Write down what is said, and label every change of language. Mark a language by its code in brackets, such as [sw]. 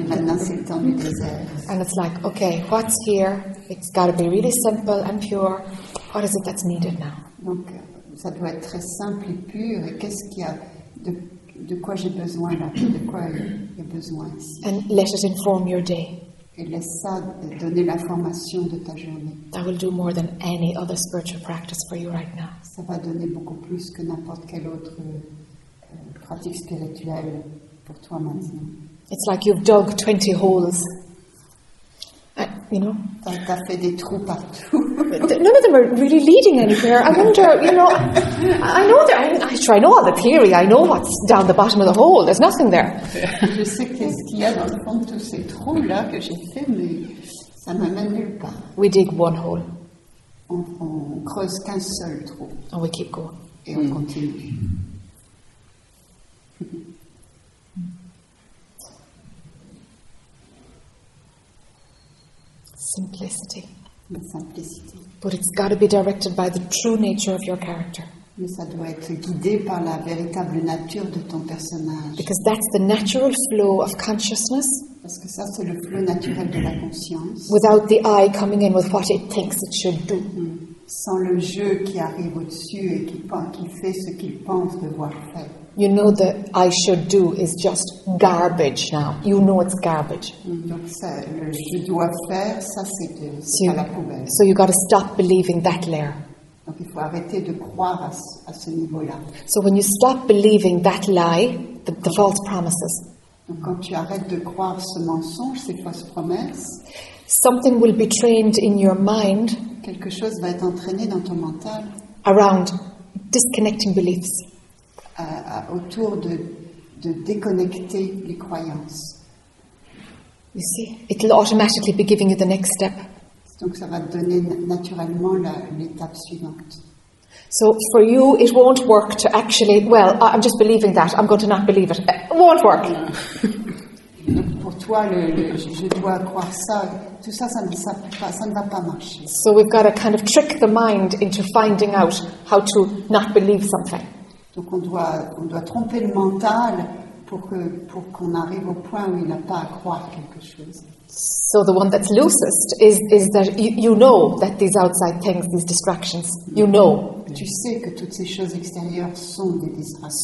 [en] And it's like, okay, what's here? It's got to be really simple and pure. What is it that's needed now? [fr] Donc, ça doit être très simple et pur. Et qu'est-ce qu'il y a de quoi j'ai besoin là? De quoi il y a besoin ici? [en] And let it inform your day. [fr] Et laisse ça donner l'information de ta journée. [en] That will do more than any other spiritual practice for you right now. [fr] Ça va donner beaucoup plus que n'importe quelle autre pratique spirituelle. [en] It's like you've dug 20 holes. You know? [fr] T'as fait des trous partout. [en] none of them are really leading anywhere. I wonder, you know, I know there. I know all the theory. I know what's down the bottom of the hole. There's nothing there. [fr] Je sais qu'est-ce qu'il y a dans le fond de tous ces trous là que j'ai fait, mais ça m'amène nulle part. [en] We dig one hole. [fr] On creuse qu'un seul trou. [en] And we keep going. [fr] Et on continue. [en] Simplicity. [fr] La simplicité. [en] But it's got to be directed by the true nature of your character. [fr] Mais ça doit être guidé par la véritable nature de ton personnage. [en] Because that's the natural flow of consciousness. [fr] Parce que ça, c'est le flux naturel de la conscience. [en] Without the eye coming in with what it thinks it should do. [fr] Sans le jeu qui arrive au-dessus et qui fait ce qu'il pense devoir faire. [en] You know that I should do is just garbage now. You know it's garbage. [fr] Donc ça, le je dois faire, ça c'est de c'est à la poubelle. [en] So you got to stop believing that layer. [fr] Donc il faut arrêter de croire à ce niveau-là. [en] So when you stop believing that lie, the false promises. [fr] Donc quand tu arrêtes de croire ce mensonge, ces fausses promesses. [en] Something will be trained in your mind. [fr] Quelque chose va être entraîné dans ton mental. [en] Around disconnecting beliefs. [fr] Autour de déconnecter les croyances. [en] You see, it'll automatically be giving you the next step. [fr] Donc ça va te donner naturellement l'étape suivante. [en] So for you, it won't work to actually. Well, I'm just believing that. I'm going to not believe it. It won't work. [fr] Donc pour toi, je dois croire ça. Tout ça, ça ne va pas marcher. [en] So we've got to kind of trick the mind into finding out how to not believe something. [fr] Donc on doit tromper le mental pour qu'on arrive au point où il n'a pas à croire quelque chose. [en] So the one that's loosest is that you know that these outside things, these distractions, you know. [fr] Tu sais que toutes ces choses extérieures sont des distractions.